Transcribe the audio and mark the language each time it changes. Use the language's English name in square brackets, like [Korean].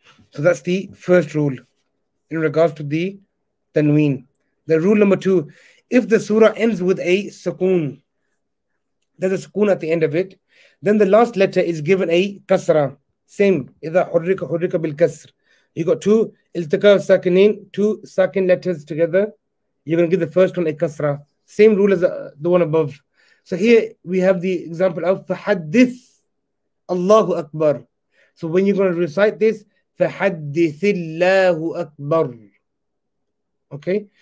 [English] So that's the first rule in regards to the tanween. The rule number two, if the surah ends with a sukoon, there's a sukoon at the end of it, then the last letter is given a kasra. [Arabic] Same, إِذَا حُرِّكَ حُرِّكَ بِالْكَسْرِ. [English] You got two [Arabic] التقاء ساكنين, [English] two ساكن letters together. You're going to give the first one a kasra. Same rule as the one above. So here we have the example of [Arabic] فَحَدِّثْ اللَّهُ أَكْبَر. [English] So when you're going to recite this, [Arabic] فَحَدِّثِ اللَّهُ أَكْبَر. [English] Okay?